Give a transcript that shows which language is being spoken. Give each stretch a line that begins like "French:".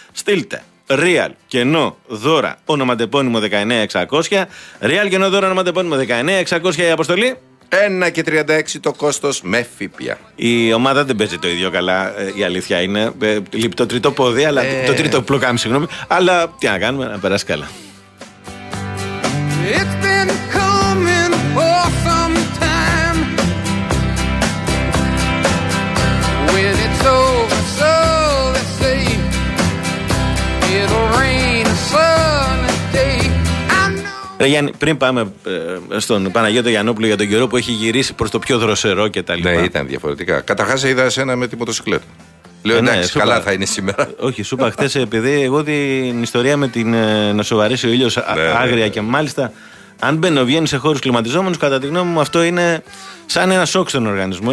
Greek: Στείλτε Real κενό δώρα ονοματεπώνυμο 19600. Real κενό δώρα ονοματεπώνυμο 19600 η αποστολή. 1,36 το κόστος με ΦΠΑ. Η ομάδα δεν παίζει το ίδιο καλά, η αλήθεια είναι. Λείπει το τρίτο πόδι, αλλά το τρίτο πλοκάμι, συγγνώμη. Αλλά τι να κάνουμε, να περάσει καλά.
English: It's been coming for some time. When it's over, so they say, it'll rain a sunny day.
Greek: Ρε Γιάννη, πριν πάμε στον Παναγιώτο Γιαννόπουλο για τον καιρό που έχει γυρίσει προς το πιο δροσερό και τα λοιπά. Ναι, ήταν διαφορετικά. Καταρχάς είδα εσένα με τη μοτοσυκλέτα. Λέω εντάξει, ναι, καλά θα είναι σήμερα. Όχι, σου είπα χθες, επειδή εγώ την ιστορία με την να σοβαρίσει ο ήλιος άγρια και μάλιστα αν μπαίνω, βγαίνει σε χώρους κλιματιζόμενους, κατά τη γνώμη μου αυτό είναι σαν ένα σοκ στον οργανισμό.